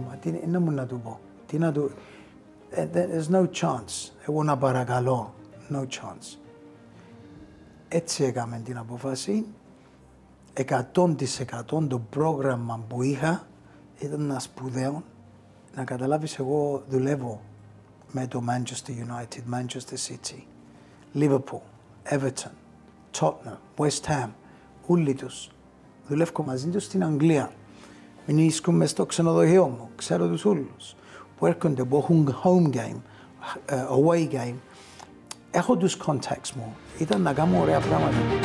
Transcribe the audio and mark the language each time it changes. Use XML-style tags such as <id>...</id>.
<el>Μα τι να μου να του πω. Τι να του...</el> <en>There's no chance.</en> <el>Εγώ να παρακαλώ.</el> <en>No chance.</en> <el>Έτσι έκαμε την αποφασή. 100% το πρόγραμμα που είχα ήταν να σπουδαίω. Να καταλάβεις, εγώ δουλεύω με το Manchester United, Manchester City, Liverpool, Everton, Tottenham, West Ham, όλοι τους. Δουλεύω μαζί τους στην Αγγλία. Μηνίσκομαι στο ξενοδοχείο μου, ξέρω τους όλους. Που έρχονται, που έχουν home game, away game. Έχω τους contacts μου. Ήταν να κάνω ωραία πράγματα.</el>